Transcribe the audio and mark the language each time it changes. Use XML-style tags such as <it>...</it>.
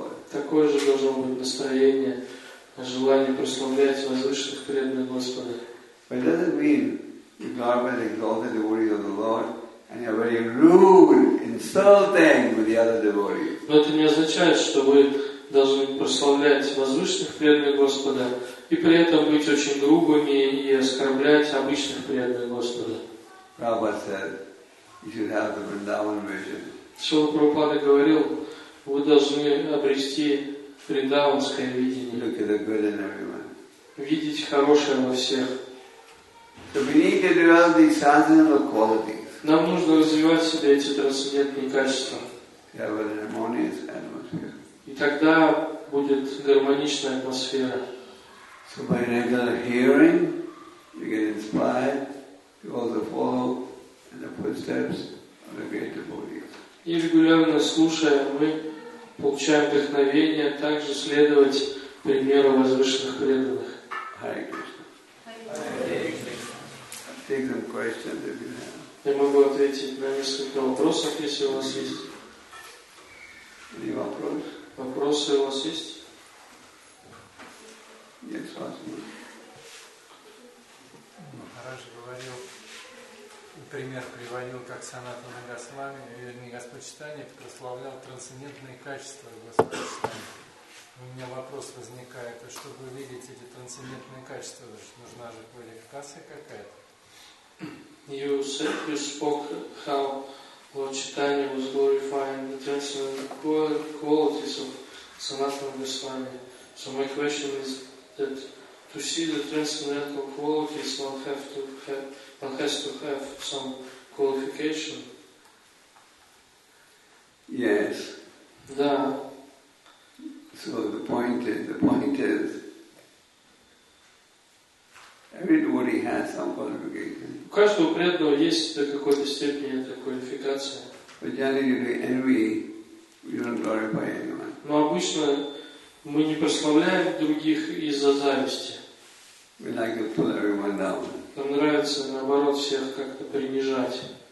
<ru>Такое же должно быть настроение, желание прославлять возвышенных преданных Господа.</ru> <en>But it doesn't mean you talk about the exalted devotees of the Lord and you're very rude, insulting with the other devotees.</en> <ru>Но это не означает, что вы должны прославлять возвышенных преданных Господа и при этом быть очень грубыми и оскорблять обычных преданных Господа.</ru> <en>Prabhupada said, you should have the Vrindavan vision.</en> <ru>Шрила Прабхупада говорил, вы должны обрести вриндаванское видение.</ru> <en>Look at the good in everyone.</en> <ru>Видеть хорошее во всех.</ru> <en>So we need to develop these transcendental qualities.</en> <ru>Нам нужно развивать в себе эти трансцендентные качества.</ru> <en>Have a harmonious atmosphere.</en> <ru>И тогда будет гармоничная атмосфера.</ru> <en>So by regular hearing, you get inspired to also follow in the footsteps of the great devotees.</en> <ru>И регулярно слушая, мы получаем вдохновение также следовать примеру возвышенных преданных.</ru> <en>Hare Krishna. Take some questions if you have.</en> <ru>Я могу ответить на несколько вопросов, если у вас есть.</ru> <en>Any</en> <ru>вопрос? Вопросы у вас есть? Нет, спасибо. Махарадж говорил, пример приводил, как Санатана Госвами, вернее, Господь Читания, прославлял трансцендентные качества Господа Читания. У меня вопрос возникает, а что вы видите эти трансцендентные качества? Нужна же квалификация какая-то.</ru> <en>You spoke how Lord Chaitanya was glorifying the transcendental qualities of Sanatana Goswami. So my question is that to see the transcendental qualities one has to have some qualification. Yes.</en> <ru>Да.</ru> <en>So the point is every devotee has some qualification.</en> <ru>У каждого преданного есть до какой-то степени эта квалификация.</ru> <en>But generally, we don't glorify anyone.</en> <ru>Но обычно мы не прославляем других из-за зависти.</ru> <en>We like to pull everyone down.</en> <ru>Нам нравится, наоборот, всех как-то принижать.</ru>